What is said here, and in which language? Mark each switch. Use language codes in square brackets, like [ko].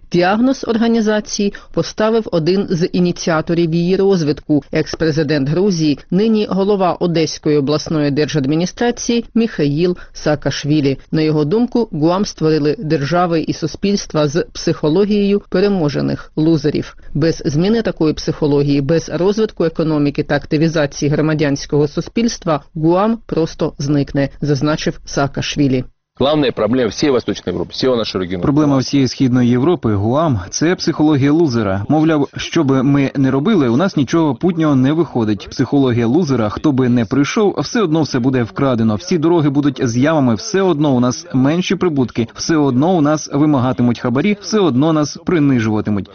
[uk] Діагноз організації поставив один з ініціаторів її розвитку – екс-президент Грузії, нині голова Одеської обласної держадміністрації Міхаїл Саакашвілі. На його думку, ГУАМ створили держави і суспільства з психологією переможених – лузерів. Без зміни такої психології, без розвитку економіки та активізації громадянського суспільства ГУАМ просто зникне, зазначив Саакашвілі. [ru] Главная проблема всей Восточной Европы, всего нашего региона. [uk] Проблема всей Східної Європи, ГУАМ, це психологія лузера. Мовляв, що би ми не робили, у нас нічого путнього не виходить. Психологія лузера, хто би не прийшов, все одно все буде вкрадено. Всі дороги будуть з ямами, все одно у нас менші прибутки, все одно у нас вимагатимуть хабарі, все одно нас принижуватимуть.